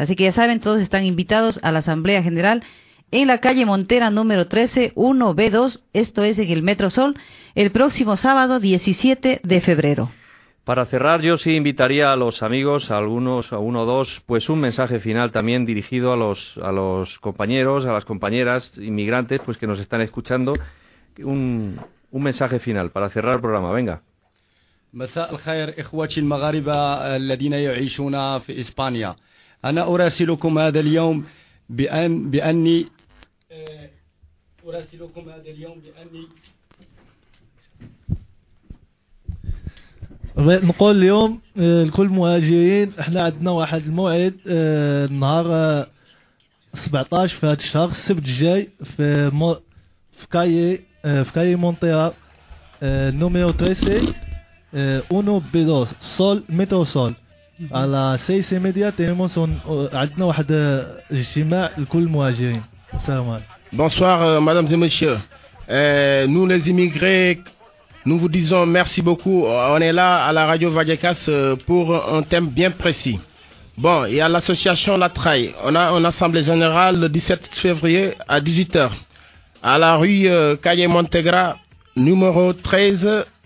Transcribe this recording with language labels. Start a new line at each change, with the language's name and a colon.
Spanish: Así que ya saben, todos están invitados a la Asamblea General en la calle Montera número 13, 1B2, esto es en el Metro Sol, el próximo sábado 17 de febrero. Para cerrar, yo sí invitaría a los amigos, a uno o dos, pues un mensaje final también dirigido a los compañeros, a las compañeras inmigrantes, pues que nos están escuchando. Un mensaje final para cerrar el programa. Venga.
Arabic: مساء الخير اخواتي المغاربه الذين يعيشون في اسبانيا. انا اراسلكم هذا اليوم باني نقول اليوم لكل مهاجرين احنا عندنا واحد الموعد النهار 17 في هذا الشهر السبت الجاي في كاي مونتيرا نوميرو 13 1B2 سول مترو سول على 6:30 تنموس عندنا واحد اجتماع لكل مهاجرين. السلام عليكم.
French: Bonsoir mesdames et messieurs. Nous les immigrés, nous vous disons merci beaucoup. On est là à la radio Vallecas pour un thème bien précis. Bon, il y a l'association La Traille. On a une assemblée générale le 17 février à 18h à la rue Calle Montegra, numéro 13.